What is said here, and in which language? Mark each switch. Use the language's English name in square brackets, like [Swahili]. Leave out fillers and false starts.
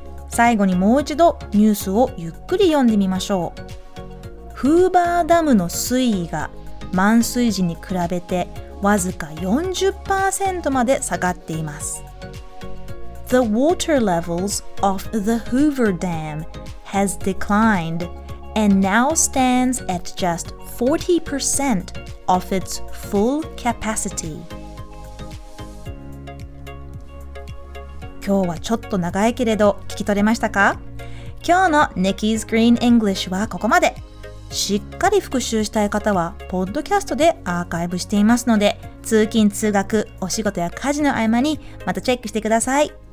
[Japanese] 最後にもう一度ニュースをゆっくり読んでみましょう。フーバーダムの水位が満水時に比べてわずか 40% まで下がっています。 [English] The water levels of the Hoover Dam has declined and now stands at just 40% of its full capacity. [Japanese] 今日はちょっと長いけれど聞き取れましたか？今日の Nikki's Green English はここまで。しっかり復習したい方はポッドキャストでアーカイブしていますので、通勤通学、お仕事や家事の合間にまたチェックしてください。